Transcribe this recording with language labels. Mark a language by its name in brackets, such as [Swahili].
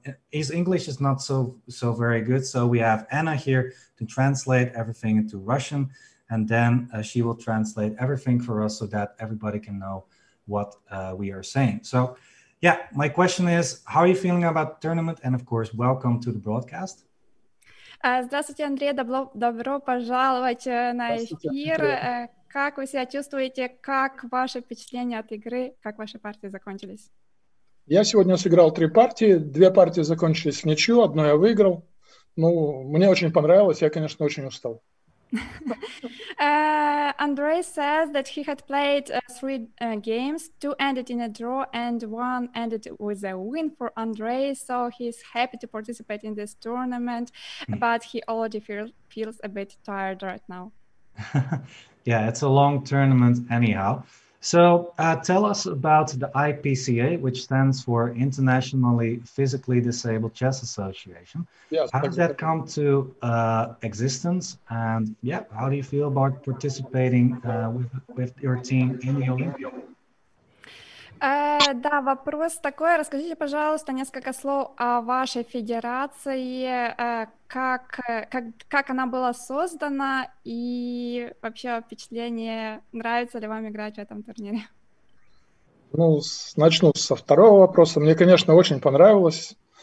[English] His English is not so very good. So we have Anna here to translate everything into Russian. And then she will translate everything for us so that everybody can know what we are saying. So yeah, my question is, how are you feeling about the tournament? And of course, welcome to the broadcast. [Russian] Здравствуйте, Андрей. Добро пожаловать на эфир. Как вы себя чувствуете? Как ваши впечатления от игры? Как ваши партии закончились? Я сегодня сыграл 3 партии. 2 партии закончились в ничью, одну я выиграл. Ну, мне очень понравилось. Я, конечно, очень устал. [English] Andre says that he had played 3 games, 2 ended in a draw and 1 ended with a win for Andre, so he's happy to participate in this tournament, but he already feels a bit tired right now. Yeah, it's a long tournament anyhow. So tell us about the IPCA, which stands for Internationally Physically Disabled Chess Association. Yes, how did that come to existence? And yeah, how do you feel about participating with your team in the Olympia? [Russian] Да, вопрос такой. Расскажите, пожалуйста, несколько слов о вашей федерации, как она была создана и вообще впечатление, нравится ли вам играть в этом турнире? Ну, начну со второго вопроса. Мне, конечно, очень понравилось.